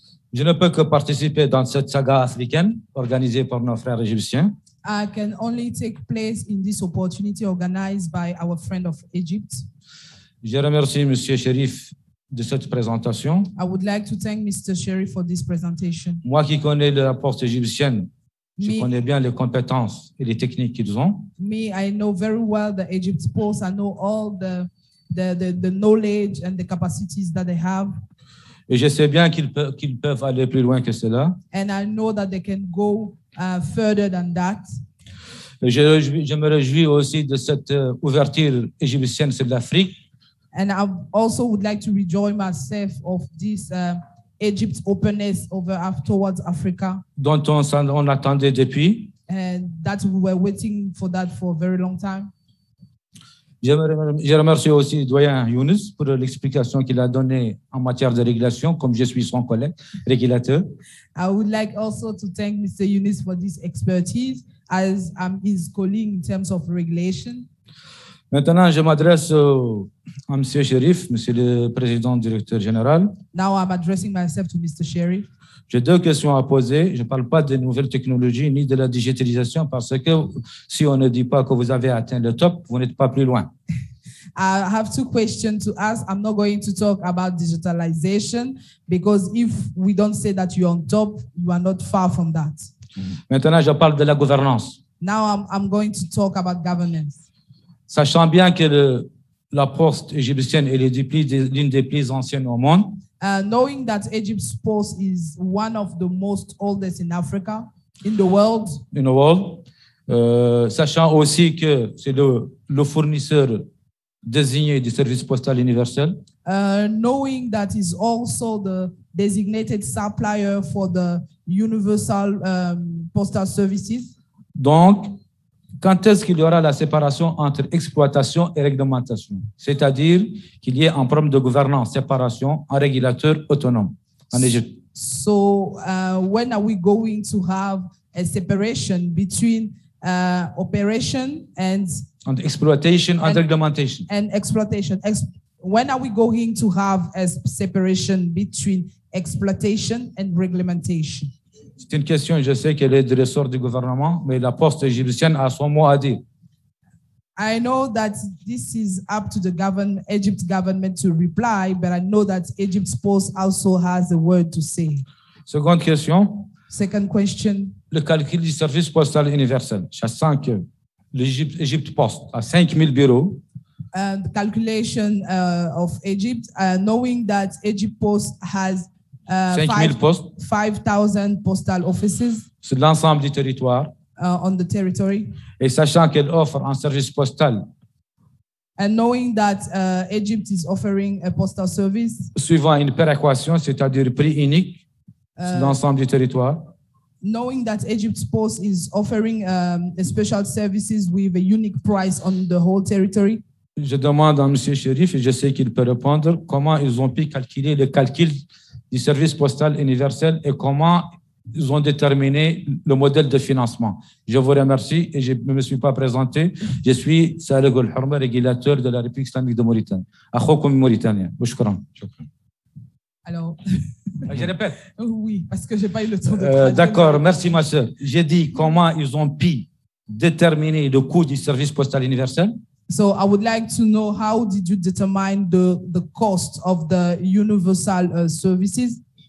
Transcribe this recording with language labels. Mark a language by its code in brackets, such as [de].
[fr] Je ne peux que participer dans cette saga africaine organisée par nos frères égyptiens. [en] I can only take place in this opportunity organized by our friend of Egypt. [fr] Je remercie Monsieur Sherif de cette présentation. [en] I would like to thank Mr. Sherif for this presentation. [fr] Moi qui connais la porte égyptienne, je connais bien les compétences et les techniques qu'ils ont. [en] Me, I know very well the Egypt post. I know all the knowledge and the capacities that they have. [fr] Et je sais bien qu'ils peuvent aller plus loin que cela. [en] And I know that they can go further than that. [fr] Je me réjouis aussi de cette ouverture égyptienne sur l'Afrique. [en] And I also would like to rejoin myself of this Egypt's openness over towards Africa. [fr] Dont on attendait depuis. [en] And that we were waiting for that for a very long time. [fr] Je remercie aussi le doyen Younes pour l'explication qu'il a donnée en matière de régulation, comme je suis son collègue régulateur. [en] I would like also to thank Mr. Younes for this expertise, as I'm his colleague in terms of regulation. [fr] Maintenant, je m'adresse à M. Sherif, M. le Président Directeur Général. [en] Now I'm addressing myself to Mr. Sherif. [fr] J'ai deux questions à poser. Je ne parle pas des nouvelles technologies ni de la digitalisation parce que si on ne dit pas que vous avez atteint le top, vous n'êtes pas plus loin. [en] I have two questions to ask. I'm not going to talk about digitalization because if we don't say that you're on top, you are not far from that. [fr] Maintenant, je parle de la gouvernance. [en] Now I'm going to talk about governance. [fr] Sachant bien que la poste égyptienne est l'une des plus anciennes au monde, [en] Knowing that Egypt's post is one of the most oldest in Africa, in the world. In the world. [fr] Sachant aussi que c'est le fournisseur désigné du service postal universel. [en] Knowing that is also the designated supplier for the universal postal services. [fr] Donc, quand est-ce qu'il y aura la séparation entre exploitation et réglementation? C'est-à-dire qu'il y ait un problème de gouvernance, séparation, un régulateur autonome en Égypte. [en] So, when are we going to have a separation between operation and exploitation and réglementation? And exploitation. When are we going to have a separation between exploitation and reglementation? [fr] C'est une question, je sais qu'elle est du ressort du gouvernement, mais la poste égyptienne a son mot à dire. [en] I know that this is up to the Egypt government to reply, but I know that Egypt's post also has a word to say. [fr] Seconde question. [en] Second question. [fr] Le calcul du service postal universel. Je sens que l'Egypt Post a 5,000 bureaux. [en] And the calculation of Egypt, knowing that Egypt Post has [fr] 5,000 postes. [en] 5,000 postal offices. [fr] Sur l'ensemble du territoire. [en] On the territory. [fr] Et sachant qu'elle offre un service postal. [en] And knowing that Egypt is offering a postal service. [fr] Suivant une péréquation, c'est-à-dire prix unique sur l'ensemble du territoire. [en] Knowing that Egypt's post is offering special services with a unique price on the whole territory. [fr] Je demande à M. Sherif et je sais qu'il peut répondre comment ils ont pu calculer le calcul du service postal universel et comment ils ont déterminé le modèle de financement. Je vous remercie et je ne me suis pas présenté. Je suis Saleh Goulhourma, régulateur de la République islamique de Mauritanie. [ar] Akhoukoum Mauritanie. Bouchkouram. [fr] Alors, je répète. Oui, parce que je n'ai pas eu le temps de D'accord, merci ma soeur. J'ai dit comment ils ont pu déterminer le coût du service postal universel. [en] So I would like to know how did you determine the cost of the universal services?